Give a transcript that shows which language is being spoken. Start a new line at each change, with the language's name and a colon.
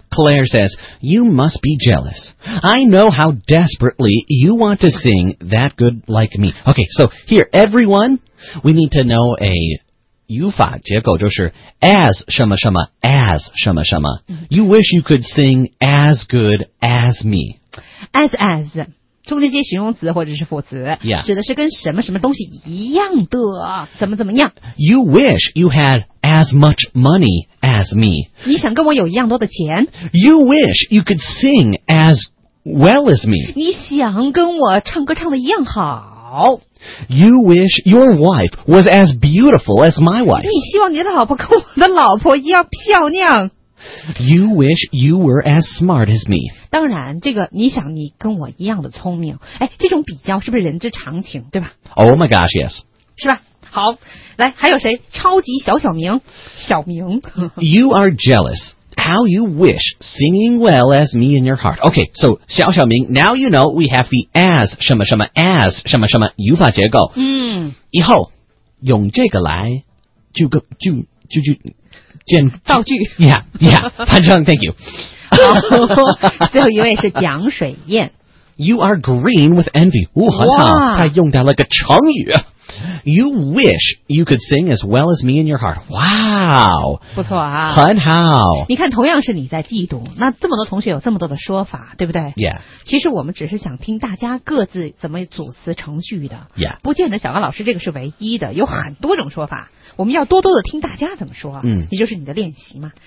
English: Claire says You must be jealous I know how desperately You want to sing That good like me Okay so here Everyone We need to know a
Chinese: 语法结构就是
English: As 什么什么 As 什么什么 You wish you could sing As good as me
Chinese: As 中间接形容词或者是副词、
English: yeah.
Chinese: 指的是跟什么什么东西一样的怎么怎么样
English: You wish you had As much moneyAs me.
Chinese: 你想跟我有一样多的钱?
English: You wish you could sing as well as me.
Chinese: 你想跟我唱歌唱得一样好。
English: You wish your wife was as beautiful as my wife.
Chinese: 你希望你的老婆跟我的老婆一样漂亮。
English: You wish you were as smart as me.
Chinese: 当然，这个你想你跟我一样的聪明。哎，这种比较是不是人之常情，对吧?
English: Oh my gosh, yes.
Chinese: 是吧?好来还有谁超级小明
English: You are jealous How you wish singing well as me in your heart Okay, so 小小明 Now you know we have the as 什么什么 as 什么什么
Chinese: 语法结构、嗯、以后用这个来就个就就就建造句
English: yeah yeah
Chinese: 反正
English: thank you
Chinese: 好，最后一位是蒋水燕。
English: You are green with envy.
Chinese: 哇，很好，他用到了个成语。
English: You wish you could sing as well as me in your heart. Wow,
Chinese: 不错啊，很好。你看，同样是你在嫉妒，那这么多同学有这么多的说法，对不对
English: ？Yeah.
Chinese: 其实我们只是想听大家各自怎么组词成句的。
English: Yeah.
Chinese: 不见得小高老师这个是唯一的，有很多种说法。我们要多多的听大家怎么说。嗯。也就是你的练习嘛。